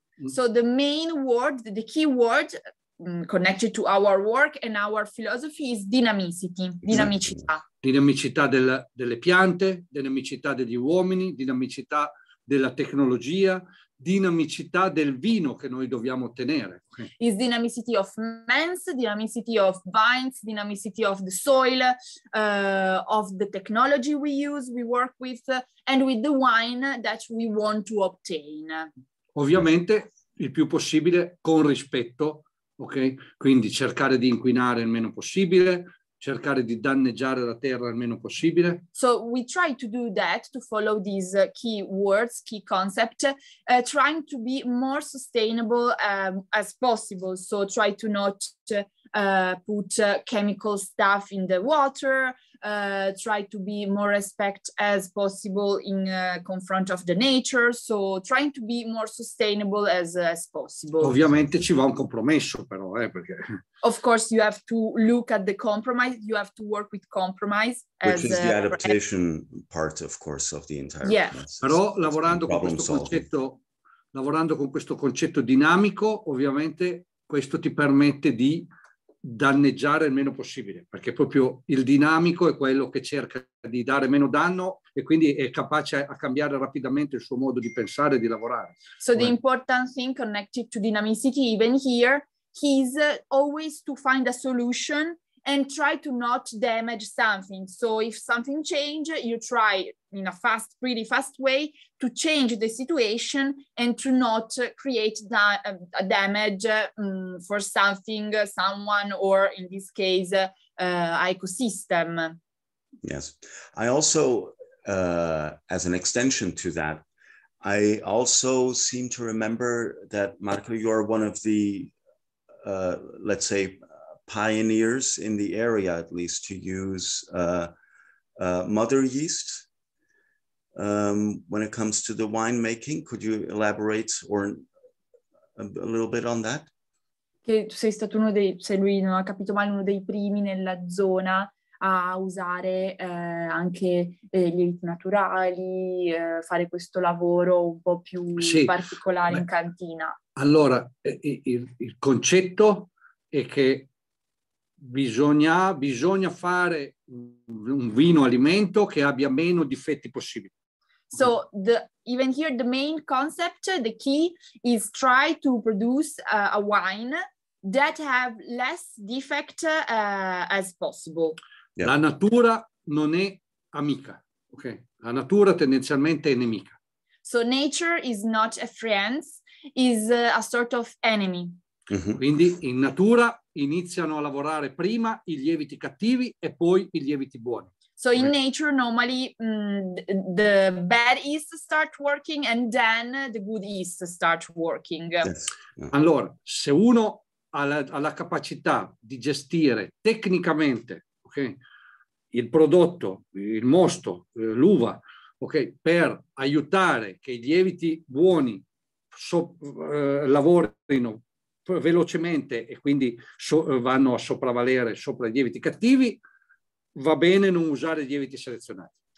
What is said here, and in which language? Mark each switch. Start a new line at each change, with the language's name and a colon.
English: So the main word, the key word connected to our work and our philosophy is dynamicity, dinamicità.
Italian: Dinamicità delle piante, dinamicità degli uomini, dinamicità della tecnologia, dinamicità del vino che noi dobbiamo ottenere.
English: Is dynamicity of men's, dynamicity of vines, dynamicity of the soil, of the technology we use, we work with, and with the wine that we want to obtain.
Italian: Ovviamente il più possibile con rispetto, ok? Quindi cercare di inquinare il meno possibile, cercare di danneggiare la terra il meno possibile.
English: So we try to do that, to follow these key words, key concept, trying to be more sustainable as possible. So try to not put chemical stuff in the water, try to be more respect as possible in confront of the nature. So trying to be more sustainable as possible.
Italian: Ovviamente ci va un compromesso però, perché...
English: Of course, you have to look at the compromise. You have to work with compromise. Which is the adaptation part, of course, of the entire process.
Italian: Però lavorando con questo concetto dinamico, ovviamente questo ti permette di danneggiare il meno possibile, perché proprio il dinamico è quello che cerca di dare meno danno e quindi è capace a cambiare rapidamente il suo modo di pensare e di lavorare.
English: So the important thing connected to dynamicity even here is always to find a solution and try to not damage something. So if something change, you try in a fast, pretty fast way to change the situation and to not create a damage for something, someone, or in this case, ecosystem. Yes. I also, as an extension to that, I also seem to remember that, Marco, you are one of the, let's say, pioneers in the area, at least, to use mother yeast when it comes to the winemaking. Could you elaborate or a little bit on that?
Italian: Che sei stato uno dei, se lui non ha capito male, uno dei primi nella zona a usare anche gli eliti naturali, fare questo lavoro un po' più sì. particolare. Beh, in cantina. Allora, il concetto è che bisogna fare un vino alimento che abbia meno difetti possibili.
English: So even here the main concept, the key is try to produce a wine that have less defect as possible. Yeah.
Italian: La natura non è amica, ok? La natura tendenzialmente è nemica.
English: So nature is not a friend, is a sort of enemy. Mm-hmm.
Italian: Quindi in natura iniziano a lavorare prima i lieviti cattivi e poi i lieviti buoni.
English: So in nature normally the bad yeast start working and then the good yeast start working. Yes.
Italian: Allora, se uno ha la capacità di gestire tecnicamente, okay, il prodotto, il mosto, l'uva, okay, per aiutare che i lieviti buoni lavorino velocemente e quindi vanno a sopravvalere sopra i lieviti cattivi, va bene non usare lieviti selezionati.